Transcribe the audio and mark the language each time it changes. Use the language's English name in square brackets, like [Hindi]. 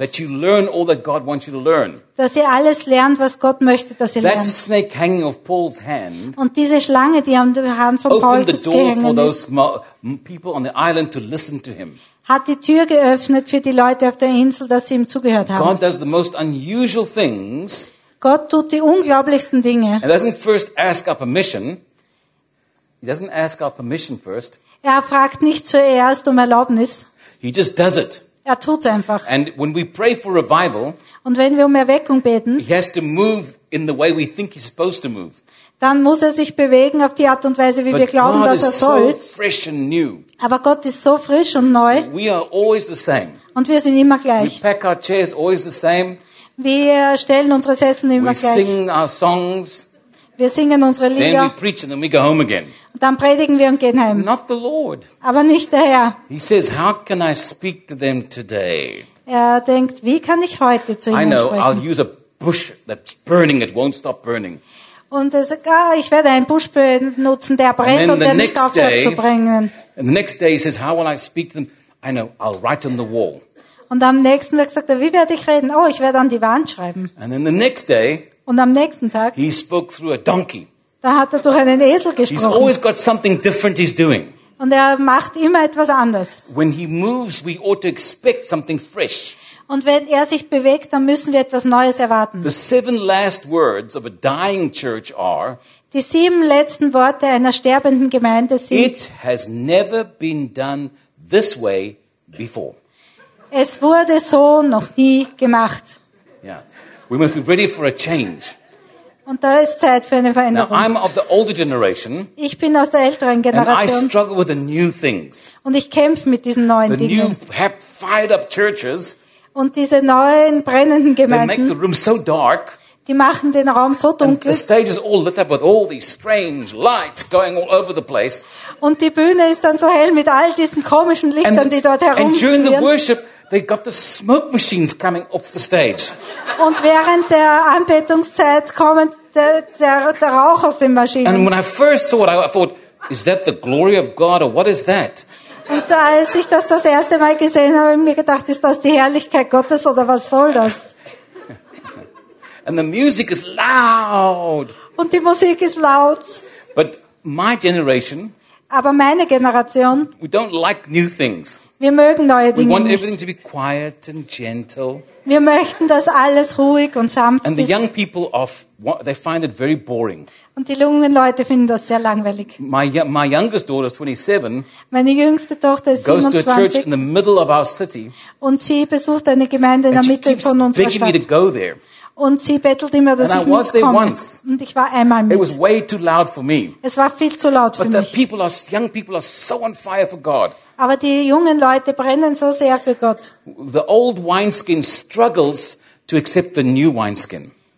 [English] That you learn all that God wants you to learn. [German] Dass ihr alles lernt, was Gott möchte, dass ihr [English] that [German] lernt. [English] That snake hanging off Paul's hand. [German] Und diese Schlange, die am Hand von Paul gehängt ist. [English] Opened the door for those people on the island to listen to him. [German] Hat die Tür geöffnet für die Leute auf der Insel, dass sie ihm zugehört haben. [English] God does the most unusual things. [German] Gott tut die unglaublichsten Dinge. [English] He doesn't first ask our permission. He doesn't ask our permission first. [German] Er fragt nicht zuerst um Erlaubnis. [English] He just does it. [German] Er tut's einfach. [English] And when we pray for revival, [German] und wenn wir um Erweckung beten, [English] he has to move in the way we think he's supposed to move. [German] Dann muss er sich bewegen auf die Art und Weise, wie [English] But [German] wir glauben, [English] God [German] dass er soll. [English] So fresh and new. [German] Aber Gott ist so frisch und neu. [English] We are always the same. [German] Und wir sind immer gleich. [English] We pack our chairs always the same. [German] Wir stellen unsere Sessel immer [English] we [German] gleich. [English] Sing our songs. [German] Wir singen unsere Lieder. [English] Then we preach and then we go home again. [German] Und dann predigen wir und gehen heim. [English] Not the Lord. [German] Aber nicht der Herr. [English] He says, how can I speak to them today? [German] Er denkt, wie kann ich heute zu ihnen sprechen? [English] I know, I'll use a bush that's burning, it won't stop burning. [German] Und er sagt, ah, ich werde einen Busch benutzen, der brennt und der nicht aufhört zu brennen. [English] And the next day he says, how will I speak to them? I know, I'll write on the wall. [German] Und am nächsten Tag sagt er, wie werde ich reden? Oh, ich werde an die Wand schreiben. [English] And then the next day, [German] und am nächsten Tag, [English] he spoke through a donkey. [German] Da hat er durch einen Esel gesprochen. [English] He's always got something different he's doing. [German] Und er macht immer etwas anders. [English] When he moves, we ought to expect something fresh. [German] Und wenn er sich bewegt, dann müssen wir etwas Neues erwarten. [English] The seven last words of a dying church are, [German] die sieben letzten Worte einer sterbenden Gemeinde sind, [English] it has never been done this way before. [German] Es wurde so noch nie gemacht. [English] Yeah. We must be ready for a change. [German] Und da ist Zeit für eine Veränderung. [English] Now, I'm of the older generation, [German] ich bin aus der älteren Generation. [English] And I struggle with the new things. [German] Und ich kämpfe mit diesen neuen [English] the [German] Dingen. [English] The new fired up churches. [German] Und diese neuen brennenden Gemeinden, [English] they make the room so dark, [German] die machen den Raum so dunkel. [English] And the stage is all lit up with all these strange lights going all over the place. [German] Und die Bühne ist dann so hell mit all diesen komischen Lichtern, die dort herumschwirren. [English] And during the worship, they got the smoke machines coming off the stage. [German] Und während der Anbetungszeit kommen der Rauch aus den Maschinen. [English] And when I first saw it, I thought, is that the glory of God or what is that? [German] Und als ich das erste Mal gesehen habe, habe ich mir gedacht, ist das die Herrlichkeit Gottes oder was soll das? [English] And the music is loud. [German] Und die Musik ist laut. [English] But my generation, [German] aber meine Generation, [English] we don't like new things. [German] Wir mögen neue Dinge [English] we want [German] nicht. [English] Everything to be quiet and gentle. [German] Wir möchten, dass alles ruhig und sanft [English] and [German] ist. [English] The young people they find it very boring. [German] Und die jungen Leute finden das sehr langweilig. [English] My youngest daughter is 27. [German] Meine jüngste Tochter ist 27. [English] Goes to a church in the middle of our city. [German] Und sie besucht eine Gemeinde in der Mitte von unserer Stadt. [English] Me to go there. [German] Und sie bettelt immer, dass [English] and [German] ich mitkomme. Und ich war einmal mit. [English] It was way too loud for me. [German] Es war viel zu laut [English] but [German] für [English] the [German] mich. [English] People are, young people are so on fire for God. [German] Aber die jungen Leute brennen so sehr für Gott. [English] The old wineskin struggles to accept the new wineskin.